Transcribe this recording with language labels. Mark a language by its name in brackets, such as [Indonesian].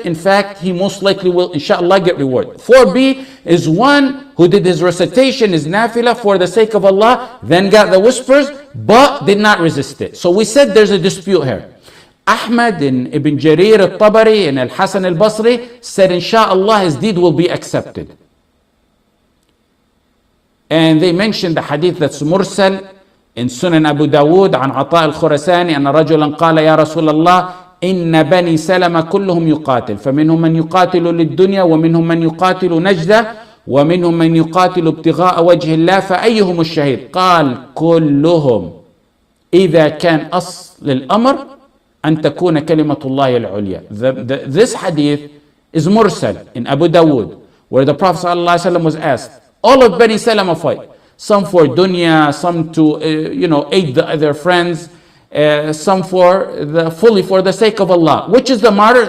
[English] In fact, he most likely will, inshallah, get reward. 4B is one who did his recitation, his nafilah, for the sake of Allah, then got the whispers, but did not resist it. So we said there's a dispute here. Ahmad and Ibn Jarir al-Tabari and al-Hasan al-Basri said, inshallah, his deed will be accepted. And they mentioned the hadith that's mursal in Sunan Abu Dawood [Arabic] عن عطاء الخرساني أن رجلا قال يا رسول الله إن بني سلمة كلهم يقاتل فمنهم من يقاتل للدنيا ومنهم من يقاتل نجدة ومنهم من يقاتل ابتغاء وجه الله فأيهم الشهيد قال كلهم إذا كان أصل الأمر أن تكون كلمة الله العليا. [English] This hadith is mursal in Abu Dawood where the Prophet صلى الله عليه وسلم was asked, all of Bani Salama fight, some for dunya, some to, aid their friends, some for the fully for the sake of Allah. Which is the martyr?